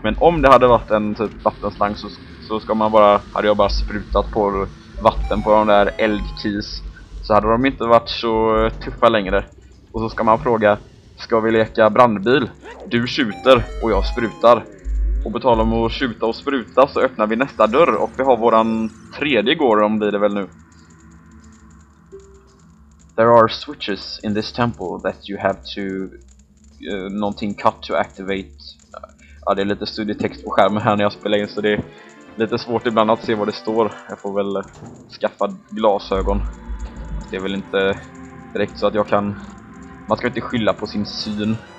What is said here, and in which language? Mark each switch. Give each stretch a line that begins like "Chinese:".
Swedish: Men om det hade varit en typ vattenslang så hade jag bara sprutat på vatten på de där eldkis. Så hade de inte varit så tuffa längre. Och så ska man fråga, ska vi leka brandbil? Du skjuter och jag sprutar. Och på tal om att skjuta och spruta så öppnar vi nästa dörr. Och vi har våran tredje gård om det väl nu.
English: There are switches in this temple that you have to...
Swedish: någonting
English: cut to activate.
Swedish: Ja, det är lite studietext på skärmen här när jag spelar in, så det är lite svårt ibland att se vad det står. Jag får väl skaffa glasögon. Det är väl inte direkt så att jag kan... Man ska inte skylla på sin syn.